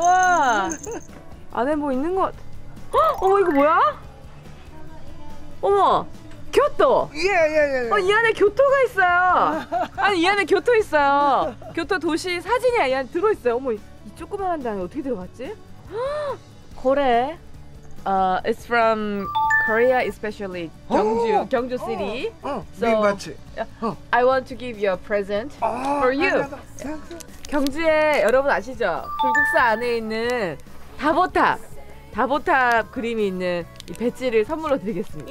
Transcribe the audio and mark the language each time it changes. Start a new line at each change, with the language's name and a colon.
Korean: 와. 안에 뭐 있는 것. 어, 어머, 이거 뭐야? 어머, 교토. 예, 예, 예. 어, 이 안에 교토가 있어요. 아니, 이 안에 교토 있어요. 교토 도시 사진이야. 이 안에 들어있어요. 어머, 이 조그마한 데 안에 어떻게 들어갔지? 고래.
English: It's from Korea, especially Gyeongju, oh, Gyeongju City. Oh, oh, so, 마치. I want to give you a present for you.
Korean: 경주에 여러분 아시죠? 불국사 안에 있는 다보탑, 다보탑 그림이 있는 이 배지를 선물로 드리겠습니다.